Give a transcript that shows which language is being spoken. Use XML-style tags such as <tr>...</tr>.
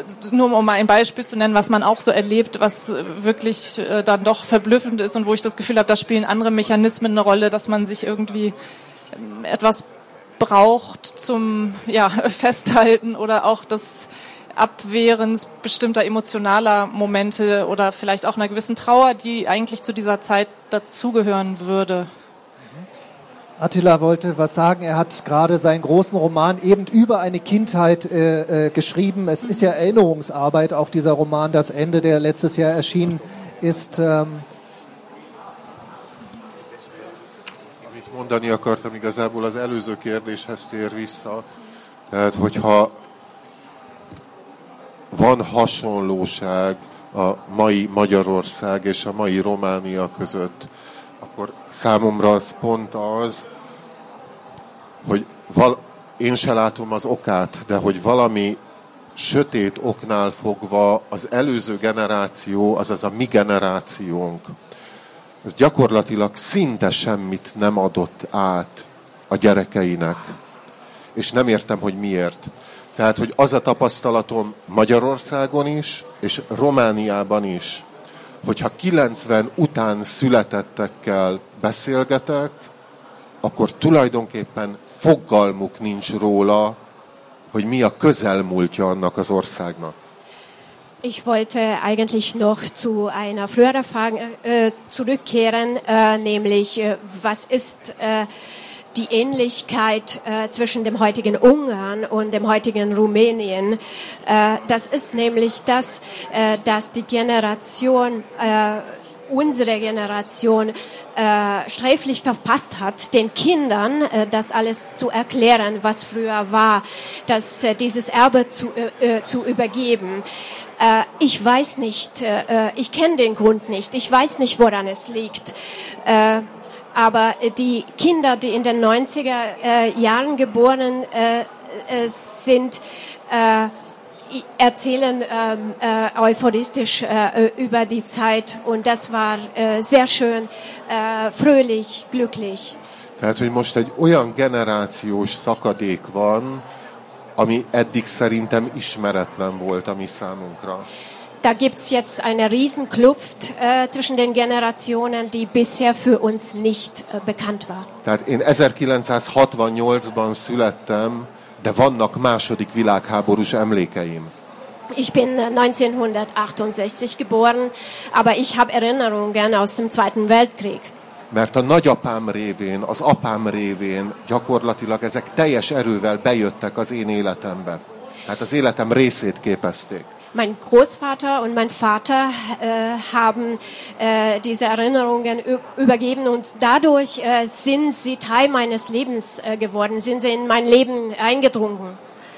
<de>Nur um mal ein Beispiel zu nennen, was man auch so erlebt, was wirklich dann doch verblüffend ist und wo ich das Gefühl habe, da spielen andere Mechanismen eine Rolle, dass man sich irgendwie etwas braucht zum Festhalten oder auch das Abwehren bestimmter emotionaler Momente oder vielleicht auch einer gewissen Trauer, die eigentlich zu dieser Zeit dazugehören würde. Attila wollte was sagen. Er hat gerade seinen großen Roman eben über eine Kindheit geschrieben. Es ist ja Erinnerungsarbeit, auch dieser Roman, Das Ende, der letztes Jahr erschienen ist.</de> <hu>Amit mondani akartam igazából az előző kérdéshez tér vissza. Tehát, hogyha van hasonlóság a mai Magyarország és a mai Románia között, akkor számomra az pont az, hogy én se látom az okát, de hogy valami sötét oknál fogva az előző generáció, azaz a mi generációnk, ez gyakorlatilag szinte semmit nem adott át a gyerekeinek. És nem értem, hogy miért. Tehát, hogy az a tapasztalatom Magyarországon is, és Romániában is, hogyha 90 után születettekkel beszélgetek, akkor tulajdonképpen fogalmuk nincs róla, hogy mi a közelmúltja annak az országnak.</hu> <de>Ich wollte eigentlich noch zu einer früheren Frage zurückkehren, nämlich was ist die Ähnlichkeit zwischen dem heutigen Ungarn und dem heutigen Rumänien? Das ist nämlich das, dass die Generation, unsere Generation, sträflich verpasst hat, den Kindern das alles zu erklären, was früher war, dass dieses Erbe zu übergeben. Ich weiß nicht, ich kenne den Grund nicht, ich weiß nicht, woran es liegt. Aber die Kinder, die in den 90er Jahren geboren sind, erzählen euphoristisch über die Zeit. Und das war sehr schön, fröhlich, glücklich.</de> <hu>Tehát, hogy most egy olyan generációs szakadék van, ami eddig szerintem ismeretlen volt a mi számunkra.</hu> <de>Da gibt's jetzt eine Riesenkluft zwischen den Generationen, die bisher für uns nicht bekannt war.</de> <hu>Tehát én 1968-ban születtem, de vannak második világháborús emlékeim.</hu> <de>Ich bin 1968 geboren, aber ich habe Erinnerungen aus dem Zweiten Weltkrieg.</de> <hu>Mert a nagyapám révén, az apám révén gyakorlatilag ezek teljes erővel bejöttek az én életembe. Tehát az életem részét képezték.</hu> <de>Mein Großvater und mein Vater haben diese Erinnerungen übergeben und dadurch sind sie Teil meines Lebens geworden, sind sie in mein Leben eingedrungen.</de>